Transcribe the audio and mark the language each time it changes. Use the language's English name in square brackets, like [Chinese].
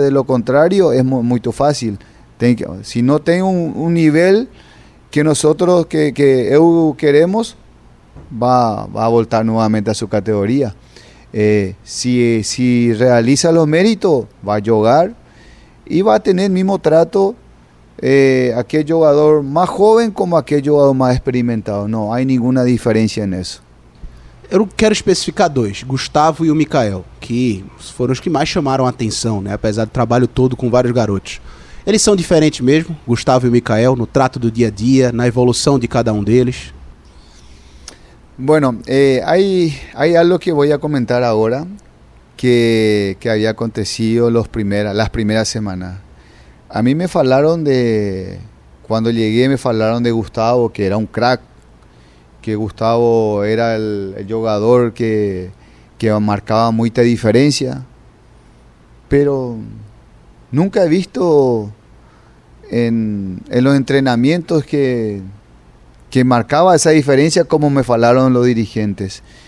[Spanish] De lo contrario, es muy fácil. Si no tiene un nivel que nosotros, que EU queremos, va a voltar nuevamente a su categoría. Si realiza los méritos, va a jugar y va a tener el mismo trato aquel jugador más joven como aquel jugador más experimentado. No hay ninguna diferencia en eso. [Portuguese] Eu quero especificar 2, Gustavo e o Mikael, que foram os que mais chamaram a atenção, né? Apesar do trabalho todo com vários garotos. Eles são diferentes mesmo, Gustavo e o Mikael, no trato do dia a dia, na evolução de cada um deles? [Spanish] Bueno, hay algo que voy a comentar ahora, que había acontecido las primeras semanas. A mí me falaron de, cuando llegué me falaron de Gustavo, que era un crack, que Gustavo era el jugador que marcaba mucha diferencia, pero nunca he visto en los entrenamientos que marcaba esa diferencia como me falaron los dirigentes.